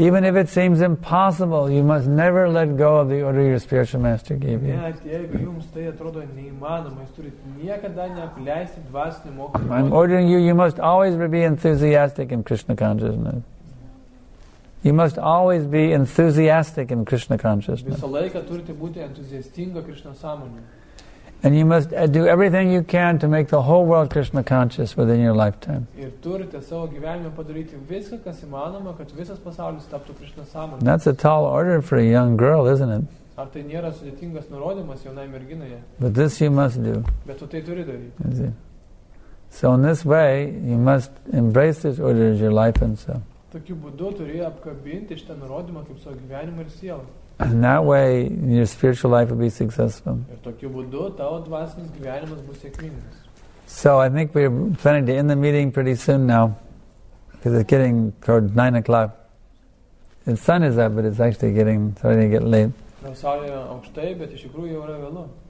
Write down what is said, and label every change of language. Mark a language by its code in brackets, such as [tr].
[en] Even if it seems impossible, you must never let go of the order your spiritual master gave you. I'm ordering you, you must always be enthusiastic in Krishna consciousness. You must always be enthusiastic in Krishna consciousness. [lt] Visą laiką turite būti entuziastinga Krishna sąmonė. [en] And you must do everything you can to make the whole world Krishna conscious within your lifetime. [lt] Ir turite savo gyvenime padaryti viską, kas įmanoma, kad visas pasaulis taptų Krishna sąmonė. [en] That's a tall order for a young girl, isn't it? [lt] Ar tai nėra sudėtingas nurodymas jaunai merginai? [en] But this you must do. [lt] Bet tu tai turi daryti. [en] So in this way, you must embrace this order as your life and so. [lt] Tokiu būdu turi apkabinti šitą nurodymą kaip savo gyvenimą ir sielą. [en] And that way your spiritual life will be successful. [lt] Ir tokiu būdu tavo dvasinis gyvenimas bus sėkmingas. [en] So I think we're planning to end the meeting pretty soon now. Because it's getting toward 9 o'clock. The sun is up, but it's actually getting starting to get late. [lt] Saulė aukštai, bet iš tikrųjų jau yra vėlu.